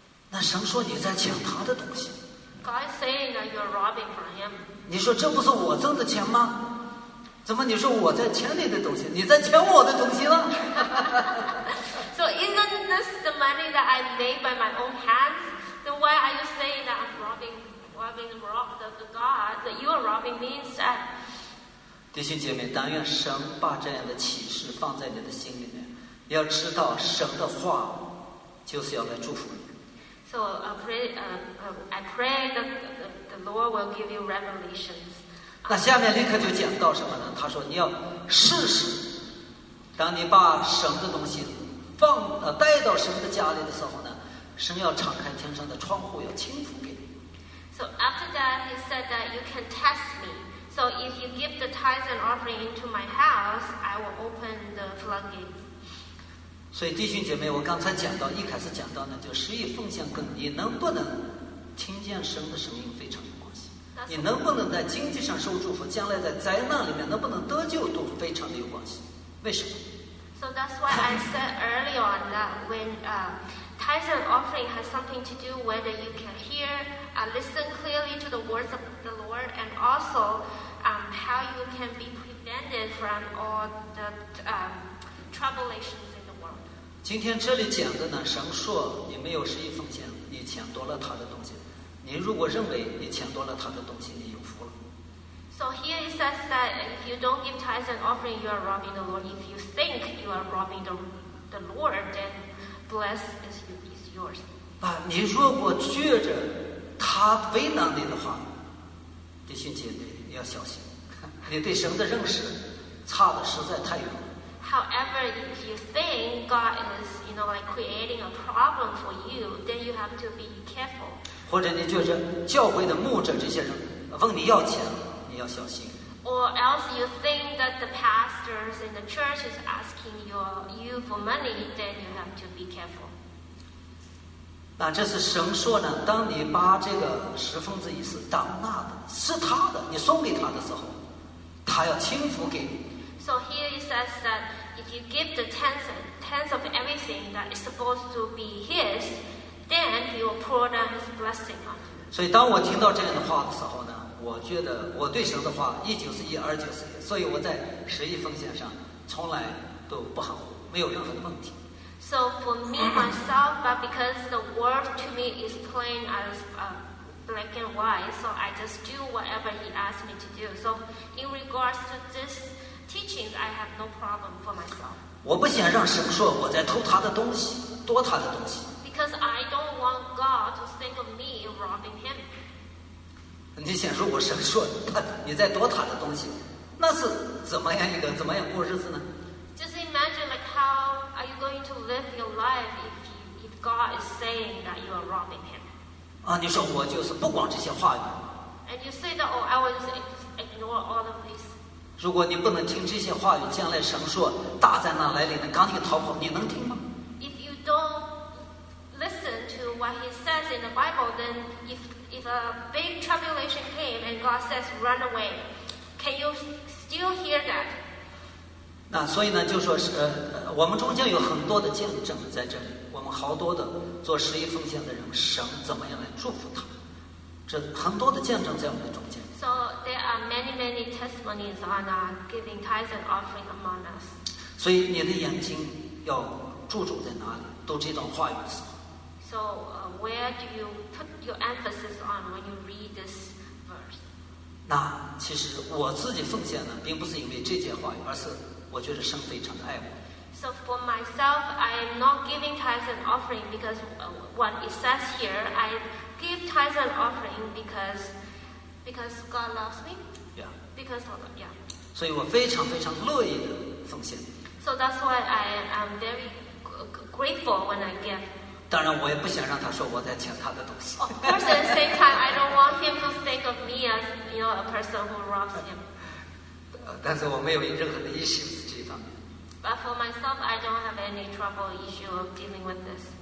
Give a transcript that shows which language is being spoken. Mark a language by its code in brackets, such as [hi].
[zh] 那神说你在抢他的东西。 [en] God saying that you are robbing from him. [zh] 你说这不是我挣的钱吗？怎么你说我在抢你的东西，你在抢我的东西了？ [en] So isn't this the money that I made by my own hands? Then why are you saying that I'm robbing the God that you are robbing me instead? [zh] 弟兄姐妹，但愿神把这样的启示放在你的心里面，要知道神的话就是要来祝福你。 [en] So I pray that the Lord will give you revelations. [zh] 那下面立刻就讲到什么呢？他说你要试试，当你把神的东西带到神的家里的时候呢，神要敞开天上的窗户，要倾覆给你。 [en] So after that, he said that you can test me. So if you give the tithes and offering into my house, I will open the floodgates. [zh] 所以弟兄姐妹，我刚才讲到，一开始讲到呢，就十一奉献跟你能不能听见神的声音非常有关系。你能不能在经济上受祝福，将来在灾难里面能不能得救，都非常的有关系。为什么？ [en] So that's why I said early on that when tithes and offering has something to do whether you can hear, listen clearly to the words of the Lord, and also how you can be prevented from all the tribulations in the world. [zh] 今天这里讲的呢，神说你没有十一奉献，你抢夺了他的东西。你如果认为你抢夺了他的东西，你有福了。 [en] So here it says that if you don't give tithes and offering, you are robbing the Lord. If you think you are robbing the Lord, then blessed is yours. [zh] 啊，你如果觉着他为难你的话，弟兄姐妹，你要小心，你对神的认识差的实在太远。 [en] However, if you think God is, you know, like creating a problem for you, then you have to be careful. [zh] 或者你觉着教会的牧者这些人问你要钱。你要小心。 [en] Or else you think that the pastors in the church is asking you for money, then you have to be careful. [zh] 那这是神说呢，当你把这个十分之一是当纳的，是他的，你送给他的时候，他要倾覆给你。 [en] So here it says that if you give the tenth of everything that is supposed to be his, then he will pour down his blessing on you. [zh] 所以当我听到这样的话的时候呢，我觉得我对神的话一九是一，二九是一，所以我在十一奉献上从来都不含糊，没有任何的问题。 [en] So for me myself, but because the word to me is plain as black and white, so I just do whatever he asked me to do. So in regards to this teaching, I have no problem for myself. [zh] 我不想让神说我在偷他的东西，夺他的东西。 [en] Because I don't want God to think of me robbing him. [zh] 你想说我神说他你在夺他的东西，那是怎么样一个怎么样过日子呢？ [en] Just imagine like how are you going to live your life if God is saying that you are robbing him. [zh] 啊，你说我就是不管这些话语。 [en] And you say that oh I will just ignore all of this. [zh] 如果你不能听这些话语，将来神说大灾难来临的赶紧逃跑，你能听吗？ [en] If you don't listen to what he says in the Bible, then if a big tribulation came and God says run away, can you still hear that? [zh] 那所以呢，就说是我们中间有很多的见证在这里，我们好多的做十一奉献的人，神怎么样来祝福他？这很多的见证在我们的中间。 [en] So there are many testimonies on giving tithes and offering among us. [zh] 所以你的眼睛要注重在哪里？读这段话语的时候。 [en] So where do you put your emphasis on when you read this verse? [zh] 那其实我自己奉献呢，并不是因为这句话语，而是我觉得神非常的爱我。 [en] So for myself, I am not giving tithes and offering because what it says here. I give tithes and offering because God loves me. Yeah. Because of God, yeah. [zh] 所以我非常非常乐意的奉献。 [en] So that's why I am very grateful when I give. [zh] 当然我也不想让他说我在抢他的东西。 [en] Of course, at the same time, I don't want him to think of me as, you know, a person who robs him. [zh] 但是我没有任何的 issues 这方面。 [en] But for myself, I don't have any trouble issue of dealing with this.